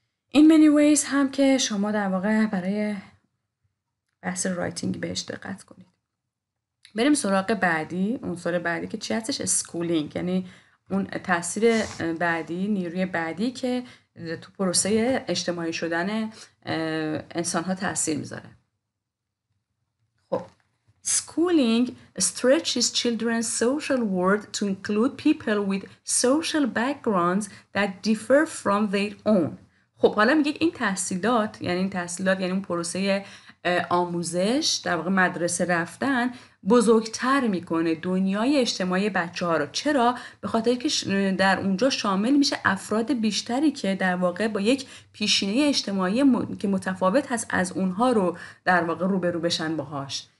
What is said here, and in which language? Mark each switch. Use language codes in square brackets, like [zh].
[fa] این منی ویز هم که شما در واقع برای بحث رایتینگ بهش دقت کنید. بریم سراغ بعدی، عنصر بعدی که چی هستش؟ سکولینگ، یعنی اون تاثیر بعدی، نیروی بعدی که تو پروسه اجتماعی شدن انسان ها تاثیر میذاره. [en] Schooling stretches children's social world to include people with social backgrounds that differ from their own. [fa] خب حالا میگه این تحصیلات، یعنی این تحصیلات، یعنی اون پروسه آموزش، در واقع مدرسه رفتن، بزرگتر میکنه دنیای اجتماعی بچه ها رو. چرا؟ به خاطر که در اونجا شامل میشه افراد بیشتری که در واقع با یک پیشینه اجتماعی که متفاوت هست از اونها رو در واقع روبرو بشن باهاش.